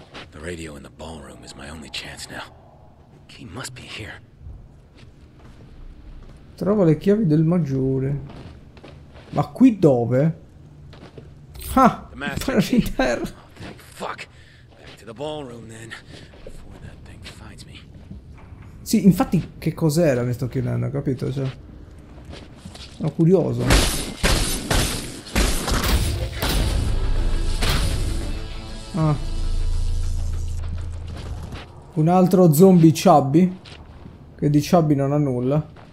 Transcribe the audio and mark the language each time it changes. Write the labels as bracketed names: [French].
[English] The radio in the ballroom is my only chance now. He must be here. [Italian] Trova le chiavi del maggiore. Ma qui dove? Ah! Parla in terra! Oh, [English] thank fuck! Back to the ballroom then. Before that thing finds me. [Italian] Sì, infatti, che cos'era? Mi sto chiedendo, capito? Cioè. Sono curioso. Ah. Un altro zombie chubby. Che di chubby non ha nulla.